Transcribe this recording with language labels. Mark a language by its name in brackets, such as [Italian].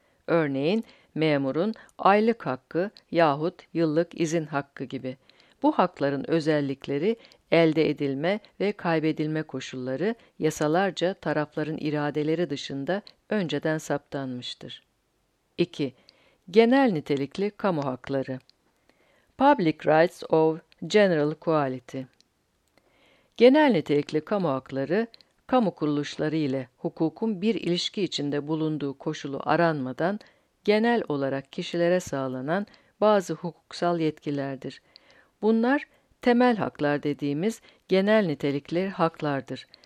[Turkish] Örneğin, memurun aylık hakkı yahut yıllık izin hakkı gibi. Bu hakların özellikleri, elde edilme ve kaybedilme koşulları yasalarca tarafların iradeleri dışında önceden saptanmıştır. 2. Genel nitelikli kamu hakları. [English] Public Rights of General Quality. [Turkish] Genel nitelikli kamu hakları, kamu kuruluşları ile hukukun bir ilişki içinde bulunduğu koşulu aranmadan genel olarak kişilere sağlanan bazı hukuksal yetkilerdir. Bunlar temel haklar dediğimiz genel nitelikli haklardır.